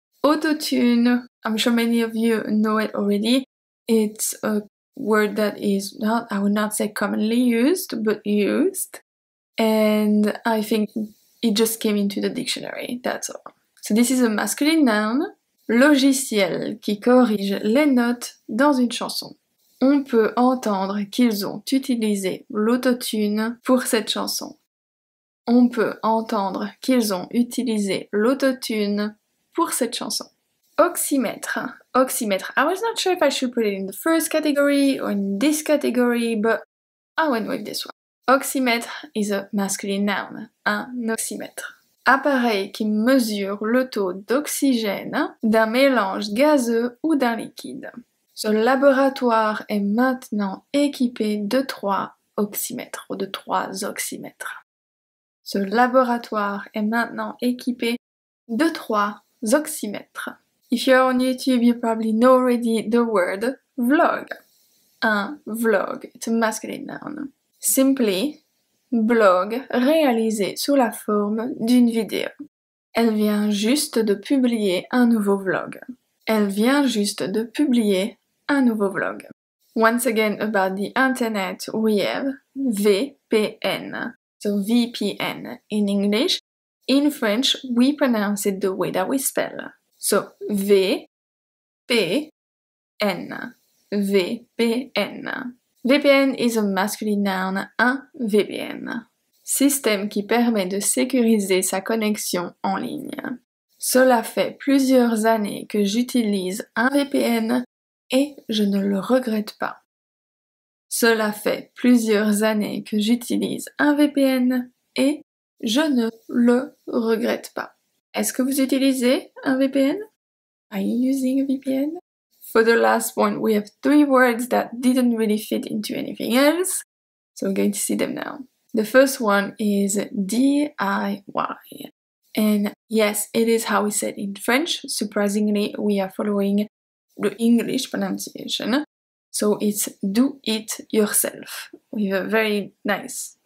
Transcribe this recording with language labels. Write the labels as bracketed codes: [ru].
[en] Autotune, I'm sure many of you know it already. It's a word that is not, I would not say commonly used, but used. And I think it just came into the dictionary, that's all. So this is a masculine noun. [fr] Logiciel qui corrige les notes dans une chanson. On peut entendre qu'ils ont utilisé l'autotune pour cette chanson. On peut entendre qu'ils ont utilisé l'autotune pour cette chanson. Oxymètre. Oxymètre. [en] I was not sure if I should put it in the first category or in this category, but I went with this one. Oxymètre is a masculine noun. [fr] Un oxymètre. Appareil qui mesure le taux d'oxygène d'un mélange gazeux ou d'un liquide. Ce laboratoire est maintenant équipé de 3 oxymètres ou de 3 oxymètres. Ce laboratoire est maintenant équipé de 3 oxymètres. [en] If you're on YouTube, you probably know already the word vlog. [fr] Un vlog, [en] it's a masculine noun. [fr] Simply, blog réalisé sous la forme d'une vidéo. Elle vient juste de publier un nouveau vlog. Elle vient juste de publier un nouveau vlog. [en] Once again, about the internet, we have VPN. So VPN in English. In French, we pronounce it the way that we spell. So V-P-N. VPN. VPN is a masculine noun, [fr] un VPN. Système qui permet de sécuriser sa connexion en ligne. Cela fait plusieurs années que j'utilise un VPN et je ne le regrette pas. Cela fait plusieurs années que j'utilise un VPN et je ne le regrette pas. Est-ce que vous utilisez un VPN? [en] Are you using a VPN? For the last one, we have 3 words that didn't really fit into anything else. So we're going to see them now. The first one is DIY. And yes, it is how we say it in French. Surprisingly, we are following the English pronunciation. So it's do it yourself. With a very nice